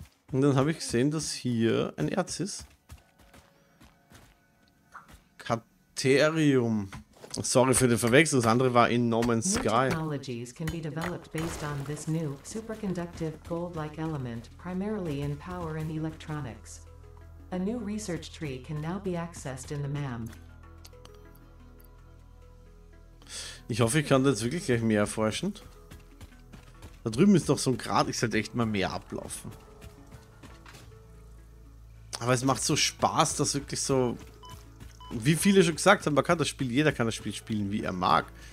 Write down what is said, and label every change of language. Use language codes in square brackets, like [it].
[de] Und dann habe ich gesehen, dass hier ein Erz ist. Caterium. Sorry für den Verwechslung, das andere war in No Man's Sky. [en] New technologies can be developed based on this new superconductive gold-like element, primarily in power and electronics. A new research tree can now be accessed in the MAM. [de] Ich hoffe, ich kann da jetzt wirklich gleich mehr erforschen. Da drüben ist doch so ein Grat, ich sollte echt mal mehr ablaufen. Aber es macht so Spaß, dass wirklich so... Wie viele schon gesagt haben, man kann das Spiel, jeder kann das Spiel spielen, wie er mag.